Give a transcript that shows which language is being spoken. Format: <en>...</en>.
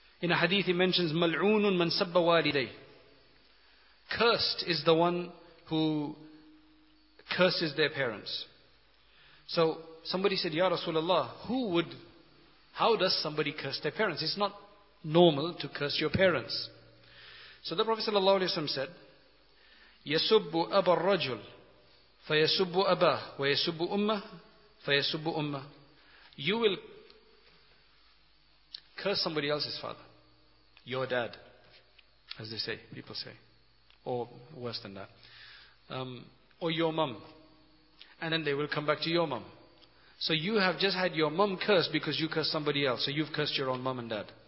<en>In a hadith he mentions,</en> <ar>مَلْعُونٌ مَنْ سَبَّ وَالِدَيْهِ.</ar> <en>Cursed is the one who curses their parents. So somebody said, Ya Rasulullah, how does somebody curse their parents? It's not normal to curse your parents. So the Prophet sallallahu alaihi wasallam said,</en> <ar>يَسُبُّ أَبَى الرَّجُلِ فَيَسُبُّ أَبَاهُ وَيَسُبُّ أُمَّهُ فَيَسُبُّ أُمَّهُ.</ar> <en>You will curse somebody else's father, your dad, as they say, people say, or worse than that, or your mum, and then they will come back to your mum. So you have just had your mum cursed because you cursed somebody else, so you've cursed your own mum and dad.</en>